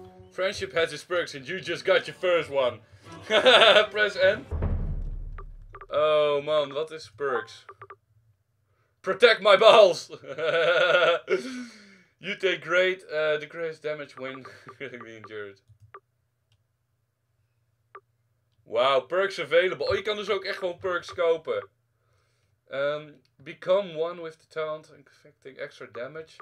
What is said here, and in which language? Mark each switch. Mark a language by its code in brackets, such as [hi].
[en] Friendship has its perks and you just got your first one. Press N. Oh man, what is perks? Protect my balls! You take great decrease damage when getting injured. Wow, perks available. [nl] Oh, je kan dus ook echt gewoon perks kopen. [en] Become one with the talent, inflicting extra damage.